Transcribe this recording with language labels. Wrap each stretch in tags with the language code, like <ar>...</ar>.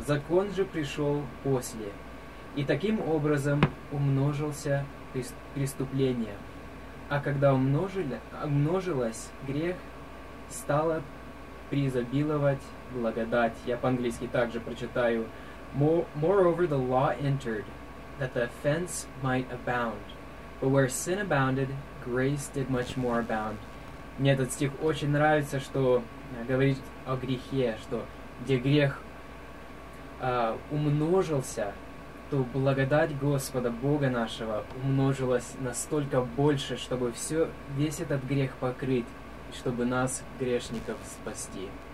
<ru>«Закон же пришел после». И таким образом умножился преступление. А когда умножилось грех, стало преизобиловать благодать. Я по-английски также прочитаю.</ru> <en>Moreover, the law entered, that the offense might abound. But where sin abounded, grace did much more abound.</en> <ru>Мне этот стих очень нравится, что говорит о грехе, что где грех умножился, то благодать Господа, Бога нашего, умножилась настолько больше, чтобы все, весь этот грех покрыть, чтобы нас, грешников, спасти.</ru>